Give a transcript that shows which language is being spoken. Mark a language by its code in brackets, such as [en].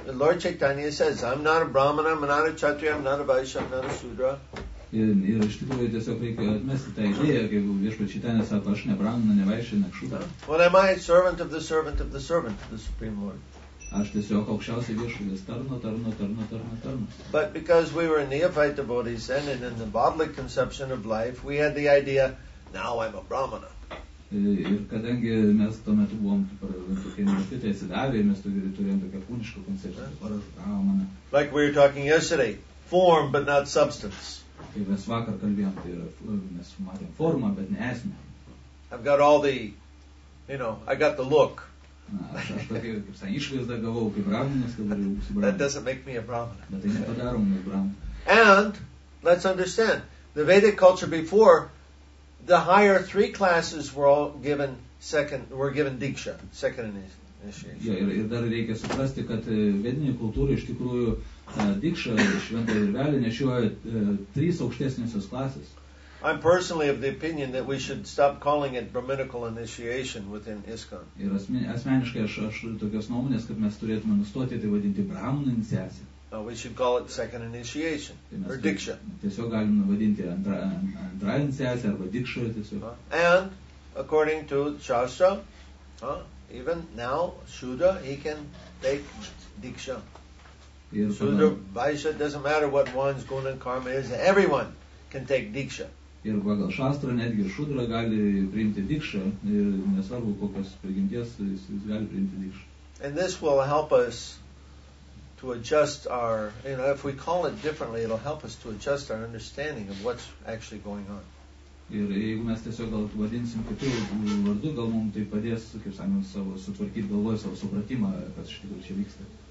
[en] Lord Chaitanya says, I'm not a brahmana, I'm not a kshatriya, I'm not a vaishya, I'm not a sudra. [lt] Ir iš tikrųjų tiesiog reikia atmesti tą idėją, kaip viešpats Čaitanja sako, aš ne brahmana, ne vaišya, ne kšudra. [en] What am I? Servant of the servant of the servant of the Supreme Lord. [lt] Aš tiesiog aukščiausiai viešpaties tarno. [en] But because we were neophyte devotees then, and in the bodily conception of life, we had the idea, now I'm a brahmana. [lt] Ir kadangi mes tuo metu buvom tokie neofitai atsidavę, mes turėjom tokią kūnišką koncepciją, dabar aš brahmana. [en] Like we were talking yesterday, form but not substance. [lt] Kaip mes vakar kalbėjom, tai yra, mes matėm formą, bet ne esmę. [en] I've got all the, you know, I got the look. [lt] Aš tokį, kaip sakant, išvaizdą gavau kaip brahmanas, kad dar jau būsiu [en] brahmanas. That doesn't make me a brahmana. [lt] Bet tai nepadaro mane brahmana. [en] And, let's understand, the Vedic culture before, the higher 3 classes were all given given diksha, second initiation. [lt] Jo, ir dar reikia suprasti, kad vedinė kultūra iš tikrųjų dikšą šventą ir velį nešiuoja 3 aukštesnėsios klasės. [en] I'm personally of the opinion that we should stop calling it brahminical initiation within ISKCON. [lt] Ir asmeniškai aš tokios nuomonės, kad mes turėtume nustoti tai vadinti brahmanų iniciaciją. [en] We should call it second initiation, or diksha. [lt] Tiesiog galime vadinti antrą iniciaciją arba dikšą tiesiog. [en] And, according to Shastra, Even now, Shudra, he can take Diksha. Shudra, Vaishya, doesn't matter what one's guna karma is, everyone can take Diksha. [lt] Ir pagal šastrą netgi šudra gali priimti dikšą, ir nesvarbu kokios prigimties, jis gali priimti dikšą. [en] And this will help us to adjust our, you know, if we call it differently, it'll help us to adjust our understanding of what's actually going on. [lt] Ir jeigu mes tiesiog gal vadinsim kitų vardų, gal mums tai padės, kaip sakant, savo sutvarkyti galvoje savo supratimą, kas iš tikrųjų čia vyksta.